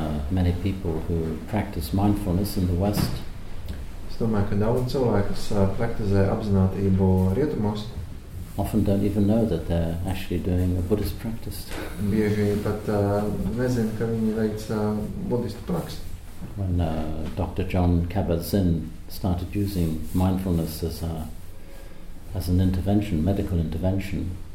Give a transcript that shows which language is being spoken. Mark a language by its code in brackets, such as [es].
[en] Many people who practice mindfulness in the West. [lv] Es domāju, ka daudz cilvēku, kas praktizē apzinātību rietumos, [en] often don't even know that they're actually doing a Buddhist practice. [lv] Bieži pat nezin, ka viņi veic budistu praksi. [en] When Dr. John Kabat-Zinn started using mindfulness as an intervention, medical intervention,